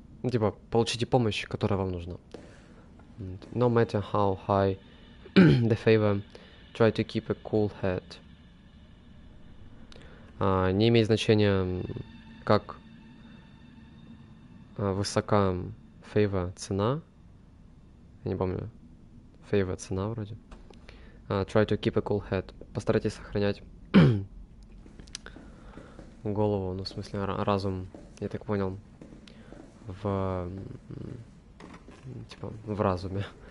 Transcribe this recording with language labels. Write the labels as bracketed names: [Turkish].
[Russian] Типа, получите помощь, которая вам нужна. [English] No matter how high the favor, try to keep a cool head. [Russian] Не имеет значения, как высока фейва цена. Я не помню. Фейва цена вроде. [English] Try to keep a cool head. [Russian] Постарайтесь сохранять голову, ну, в смысле, разум, я так понял, в разуме.